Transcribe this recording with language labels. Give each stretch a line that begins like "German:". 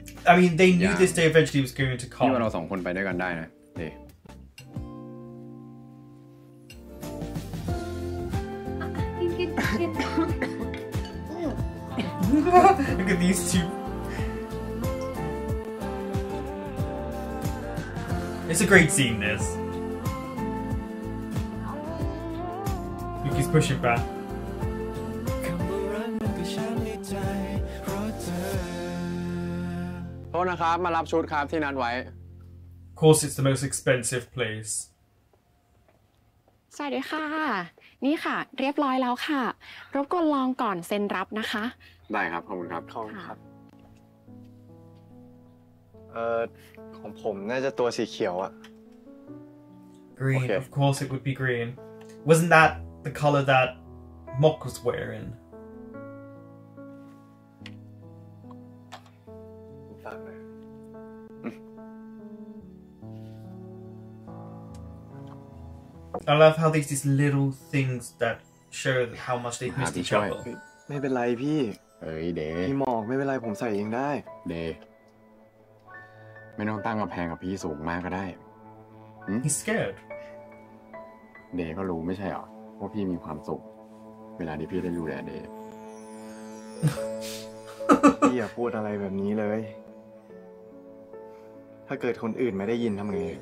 English: I mean they knew this day eventually was going to come
Thai: พี่ว่าเราสองคนไปด้วยกันได้นะดิ กินกินกิน
English: It's a great scene, this. Look, he's pushing back. Oh, no, I'm going to shoot the camera. Of course, it's the most expensive place.
Thai: Sorry, ค่ะ นี่ค่ะ เรียบร้อยแล้วค่ะ รบกวนลองก่อนเซ็นรับนะคะ ได้ครับ ขอบคุณครับ ขอบคุณครับของผมน่าจะตัวสีเขียวอะ
English: Green okay. of course it would be green wasn't that the color that Mock was wearing I love how there's these little things that show how much they've missed each other
Thai: ไม่เป็นไรพี่เอ้ยเด้พี่หมอกไม่เป็นไรผมใส่เองได้เด้ไม่ต้องตั้งกำแพงกับพี่สูงมากก็ได้
English: He's scared
Thai: เดย์ก็รู้ไม่ใช่หรอว่าพี่มีความสุขเวลาที่พี่ได้ดูแลเดย์พี่อย่าพูดอะไรแบบนี้เลยถ้าเกิดคนอื่นไม่ได้ยินทำไง